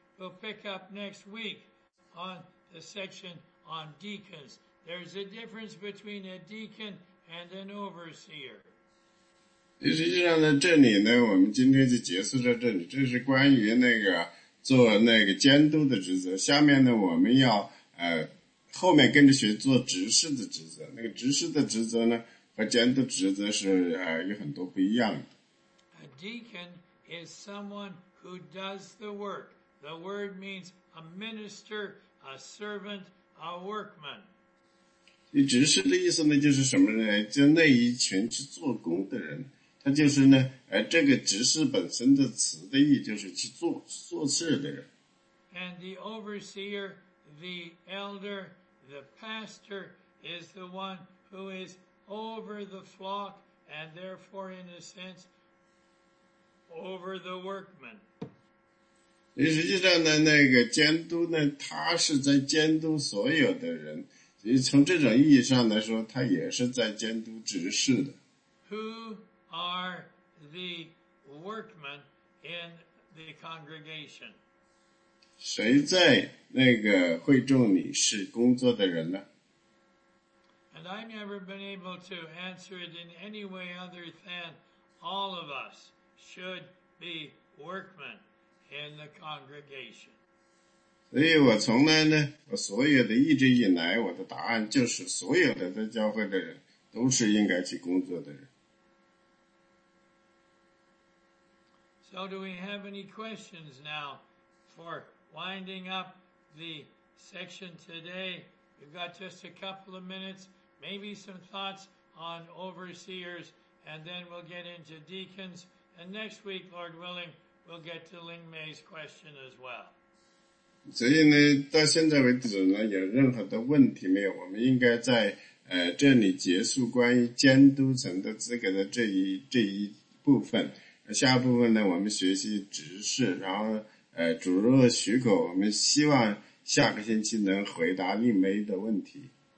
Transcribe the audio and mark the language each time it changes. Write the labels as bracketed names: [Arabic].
[English] We'll pick up next week on the section on deacons. There's a difference between a deacon and an overseer. [Chinese] 实际上呢，这里呢，我们今天就结束在这里。这是关于那个做那个监督的职责。下面呢，我们要后面跟着学做执事的职责，那个执事的职责呢，和监督职责是有很多不一样的。 [English] A deacon is someone who does the work. The word means a minister, a servant, a workman. [Chinese] 执事的意思呢，就是什么呢？就那一群去做工的人，他就是呢，这个执事本身的词的意就是去做事的人。 [English] And the overseer. The elder, the pastor, is the one who is over the flock, and therefore, in a sense, over the workmen. [Chinese] 实际上呢，那个监督呢，他是在监督所有的人。所以从这种意义上来说，他也是在监督执事的。 [English] Who are the workmen in the congregation? [Chinese] 谁在那个会众里是工作的人呢？ [English] And I've never been able to answer it in any way other than all of us should be workmen in the congregation. [Chinese] 所以我从来呢，我所有的一直以来，我的答案就是所有的在教会的人都是应该去工作的人。 [English] So do we have any questions now for winding up? The section today, we've got just a couple of minutes, maybe some thoughts on overseers, and then we'll get into deacons. And next week, Lord willing, we'll get to Ling Mei's question as well. [Chinese] 所以呢，到现在为止呢，有任何的问题没有？我们应该在这里结束关于监督层的资格的这一部分。下部分呢，我们学习执事，然后。主若许可，我们希望下个星期能回答令妹的问题。